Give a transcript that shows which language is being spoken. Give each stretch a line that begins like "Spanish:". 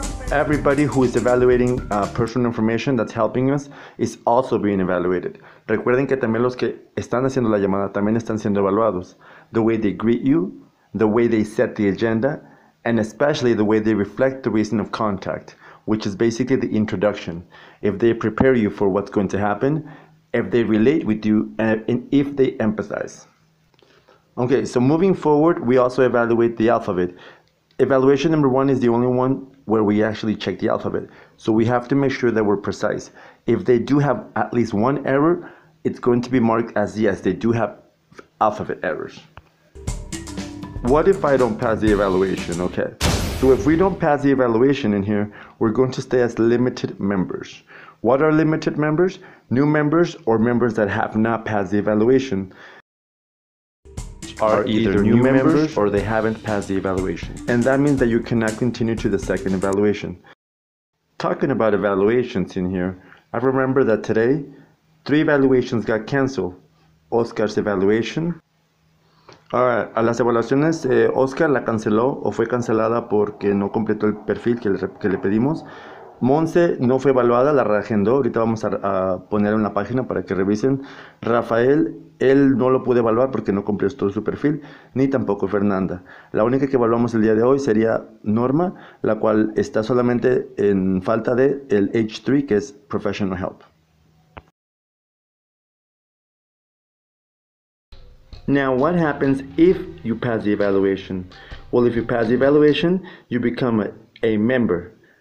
English: Everybody who is evaluating personal information that's helping us is also being evaluated.
Spanish: Recuerden que también los que están haciendo la llamada también están siendo evaluados.
English: The way they greet you, the way they set the agenda, and especially the way they reflect the reason of contact, which is basically the introduction. If they prepare you for what's going to happen, if they relate with you, and if they empathize. Okay, so moving forward, we also evaluate the alphabet. Evaluation number one is the only one where we actually check the alphabet. So we have to make sure that we're precise. If they do have at least one error, it's going to be marked as yes, they do have alphabet errors. What if I don't pass the evaluation? Okay. So if we don't pass the evaluation in here, we're going to stay as limited members. What are limited members? New members or members that have not passed the evaluation are either new members or they haven't passed the evaluation. And that means that you cannot continue to the second evaluation. Talking about evaluations in here, I remember that today, three evaluations got canceled. Oscar's evaluation. All right,
Spanish: a las evaluaciones, Oscar la canceló o fue cancelada porque no completó el perfil que le pedimos. Monse no fue evaluada, la reagendó. Ahorita vamos a poner en la página para que revisen. Rafael, él no lo pudo evaluar porque no cumplió todo su perfil, ni tampoco Fernanda. La única que evaluamos el día de hoy sería Norma, la cual está solamente en falta de el H3, que es Professional Help.
English: Now, what happens if you pass the evaluation? Well, if you pass the evaluation, you become a member.